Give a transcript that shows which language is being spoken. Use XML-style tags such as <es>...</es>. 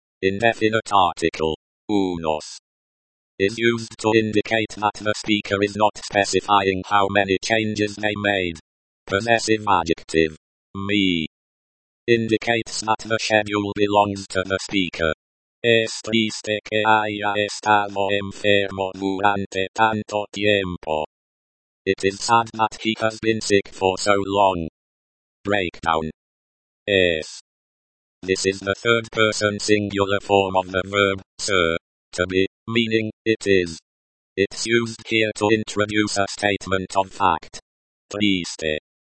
<en>Indefinite article. Unos. Is used to indicate that the speaker is not specifying how many changes they made. Possessive adjective. Me. Indicates that the schedule belongs to the speaker.</en> <es>Es triste que haya estado enfermo durante tanto tiempo.</es> <en>It is sad that he has been sick for so long. Breakdown. Es. This is the third person singular form of the verb, sir, to be, meaning, it is. It's used here to introduce a statement of fact. Triste.</en>